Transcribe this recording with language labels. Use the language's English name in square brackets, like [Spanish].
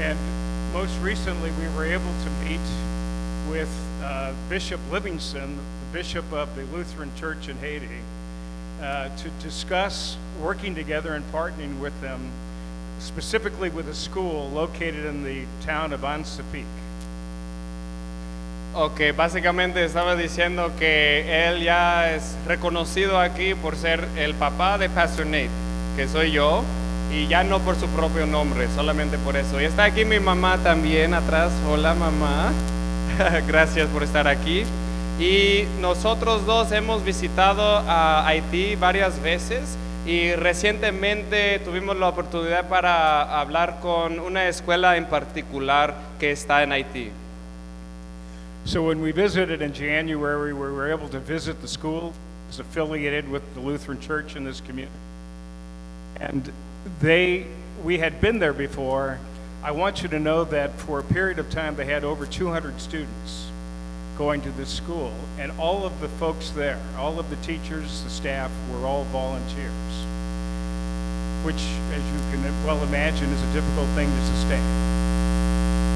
[English] And most recently, we were able to meet with Bishop Livingston, the bishop of the Lutheran Church in Haiti, to discuss working together and partnering with them specifically with a school located in the town of Ansapik. [Spanish] Okay, básicamente estaba diciendo que él ya es reconocido aquí por ser el papá de Pastor Nate, que soy yo, y ya no por su propio nombre, solamente por eso. Y está aquí mi mamá también atrás. Hola, mamá. Gracias por estar aquí. Y nosotros dos hemos visitado a Haití varias veces. Y recientemente tuvimos la oportunidad para hablar con una escuela en particular que está en Haití. [English] So when we visited in January, we were able to visit the school that's affiliated with the Lutheran Church in this community. And we had been there before. I want you to know that for a period of time, they had over 200 students going to this school, and all of the folks there, all of the teachers, the staff, were all volunteers, which, as you can well imagine, is a difficult thing to sustain.